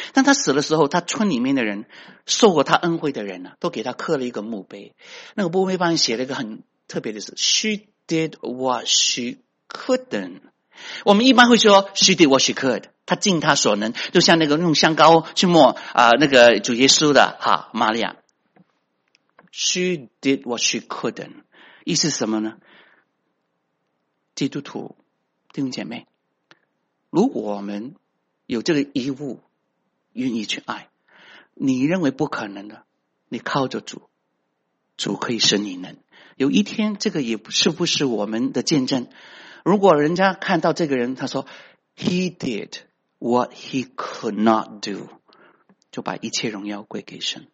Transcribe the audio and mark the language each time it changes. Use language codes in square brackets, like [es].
[zh] 但他死的时候，他村里面的人，受过他恩惠的人，都给他刻了一个墓碑。那个墓碑帮你写了一个很特别的字， [en] She did what she couldn't。 [zh] 我们一般会说 [en] She did what she could， [zh] 他尽他所能，就像那个用香膏去抹那个主耶稣的哈玛利亚。 [en] She did what she couldn't， [zh] 意思是什么呢？基督徒弟兄姐妹，如果我们有这个义务愿意去爱，你认为不可能的，你靠着主，主可以使你能。有一天这个也是不是我们的见证，如果人家看到这个人，他说 [en] He did what he could not do， [zh] 就把一切荣耀归给神。